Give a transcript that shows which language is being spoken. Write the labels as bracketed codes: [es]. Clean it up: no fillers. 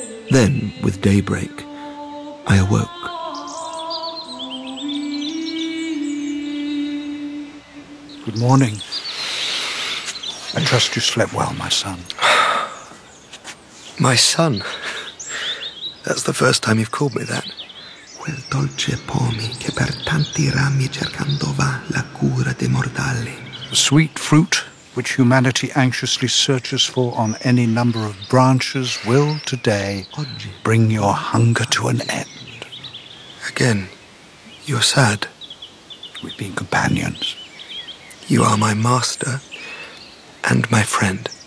[en] Then, with daybreak, I awoke. Good morning. I trust you slept well, my son. My son. That's the first time you've called me that. [it] Quel dolce pomi che per tanti rami cercando va la cura dei mortali. [en] The sweet fruit which humanity anxiously searches for on any number of branches will today bring your hunger to an end. Again, you're sad. We've been companions. You are my master and my friend.